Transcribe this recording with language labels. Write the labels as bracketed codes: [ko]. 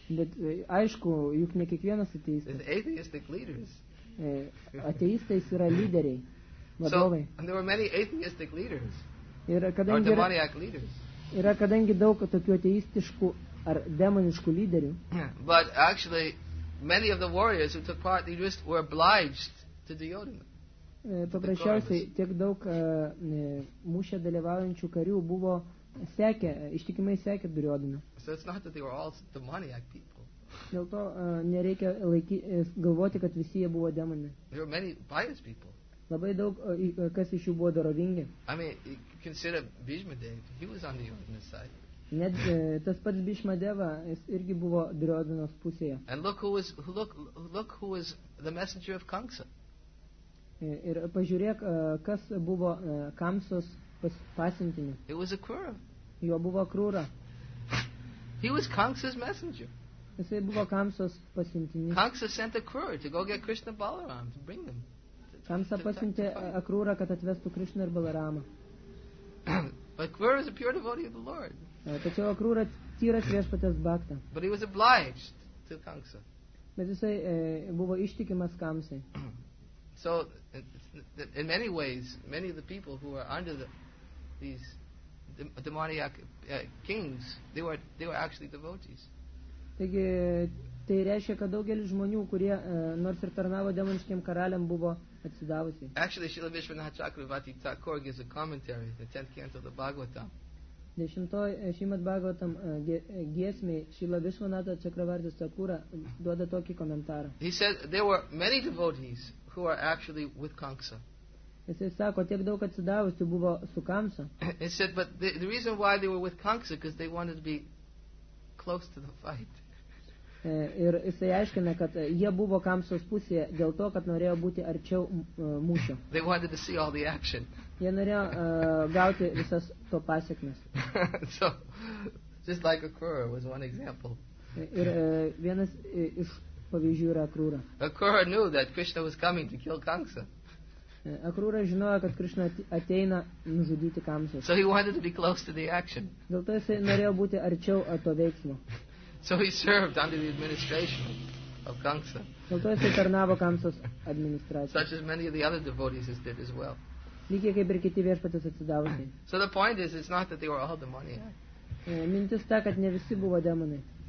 [lt] Bet aišku, juk ne kiekvienas ateistas. [en] It's atheistic leaders. [lt] Ateistais yra lyderiai, vadovai. [en] So, and there were many atheistic leaders. Or demoniac leaders. [lt] Yra kadangi daug tokių ateistiškų ar demoniškų lyderių. [en] But actually, many of the warriors who took part, they just were obliged to the Duryodhana. [lt] Paprasčiausiai, tiek daug mūšę dalyvaujančių karių buvo sekė, ištikimai sekė Duryodhana. [en] So it's not that they were all demoniac people. [lt] Dėl to nereikia galvoti, kad visi jie buvo demonai. [en] There were many pious people. [lt] Labai daug kas iš jų buvo dorovingi. [en] I mean, consider Bhishma Dev, he was on the Duryodhana's side. [lt] Net tas pats Bhishma Deva, jis irgi buvo Duryodhanos pusėje. [en] And look who was the messenger of Kamsa. [lt] Ir pažiūrėk, kas buvo Kamsos pasiuntinį. [en] It was a Krūra. [lt] Jo buvo Krūra. [en] He was Kamsa's messenger. [lt] Jisai buvo Kamsos pasiuntinį. [en] Kamsa sent a Krūra to go get Krishna Balaram, to bring them. [lt] Kamsa pasiuntė Akrūrą, kad atvestų Krishna ir Balaramą. [en] But Akrūra is a pure devotee of the Lord. [lt] Tačiau Akrūra tyras viešpatės bhakta. [en] But he was obliged to Kamsa. [lt] Bet jisai buvo ištikimas Kamsai. [en] So, in many ways, many of the people who were under these demoniac kings, they were actually devotees. [lt] Taigi, tai reiškia, kad daugelis žmonių, kurie nors ir tarnavo demoniškiam karaliam, buvo atsidavusi. [en] Actually, Srila Vishwanatha Chakravarti Thakur gives a commentary in the 10th canto of the Bhagavatam. [lt] Dešimtoj Šrimad Bhagavatam giesmei Srila Vishwanatha Chakravarti Thakur duoda tokį komentarą. [en] He said there were many devotees who are actually with Kamsa. [lt] Jisai sako, tiek daug atsidavusių buvo su Kamsa. [en] He said, but the reason why they were with Kamsa, because they wanted to be close to the fight. [lt] Ir jisai aiškina, kad jie buvo Kamsos pusėje dėl to, kad norėjo būti arčiau mūšio. [en] They wanted to see all the action. [lt] Jie norėjo gauti visas to pasekmes. [en] So, just like Akrūra was one example. [lt] Ir vienas iš pavyzdžių yra Akrūra. [en] Akrūra knew that Krishna was coming to kill Kamsa. [lt] Akrūra žinojo, kad Krishna ateina nužudyti Kamsą. [en] So he wanted to be close to the action. [lt] Dėl to jisai norėjo būti arčiau to veiksmo. [en] So he served under the administration of Kamsa. [lt] Dėl to jisai tarnavo Kamsos administracijai. [en] Such as many of the other devotees did as well. [lt] Lygiai kaip ir kiti viešpatės atsidavusiai. [en] So the point is, it's not that they were all demoniac. [lt] Mintis ta, kad ne visi buvo demonai.